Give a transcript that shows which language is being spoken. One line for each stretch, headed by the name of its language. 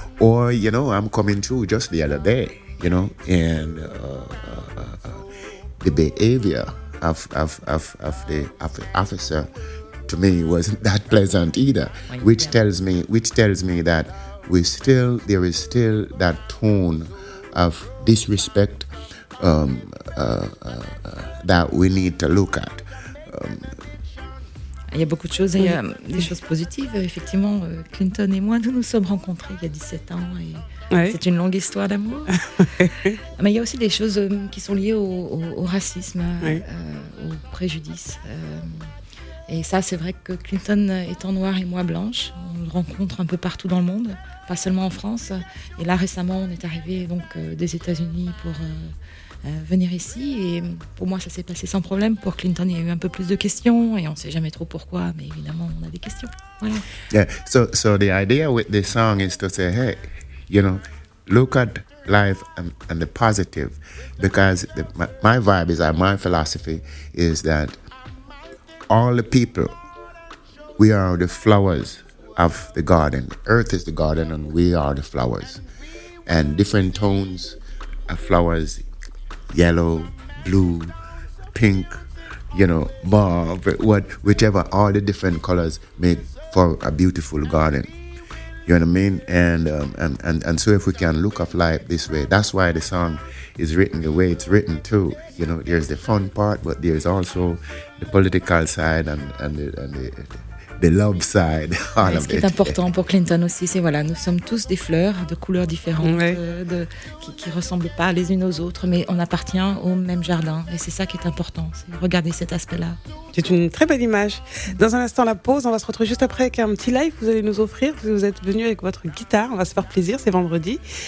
English: Or, you know, I'm coming through just the other day, you know, and the behavior of the officer to me wasn't that pleasant either, which tells me that there is still that tone of disrespect that we need to look at.
French: Il y a beaucoup de choses, il y a des choses positives. Effectivement, Clinton et moi, nous nous sommes rencontrés il y a 17 ans et c'est une longue histoire d'amour. Mais il y a aussi des choses qui sont liées au racisme, au préjudice. Et ça, c'est vrai que Clinton étant noir et moi blanche, on le rencontre un peu partout dans le monde, pas seulement en France. Et là, récemment, on est arrivé des États-Unis pour... venir ici, et pour moi ça s'est passé sans problème. Pour Clinton, il y a eu un peu plus de questions et on ne sait jamais trop pourquoi, mais évidemment on a des questions. Voilà.
English: Yeah. So the idea with this song is to say, hey, you know, look at life and the positive, because my vibe is, my philosophy is that all the people, we are the flowers of the garden. Earth is the garden and we are the flowers, and different tones of flowers. Yellow, blue, pink, you know, mauve, whichever, all the different colors make for a beautiful garden. You know what I mean? And so if we can look at life this way, that's why the song is written the way it's written too. You know, there's the fun part, but there's also the political side and the love side. All of it.
French: Ce qui est important pour Clinton aussi, c'est voilà, nous sommes tous des fleurs de couleurs différentes, qui ressemblent pas les unes aux autres, mais on appartient au même jardin, et c'est ça qui est important. C'est regarder cet aspect-là. C'est une très belle image. Dans un instant, la pause. On va se retrouver juste après avec un petit live que vous allez nous offrir. Vous êtes venu avec votre guitare. On va se faire plaisir. C'est vendredi.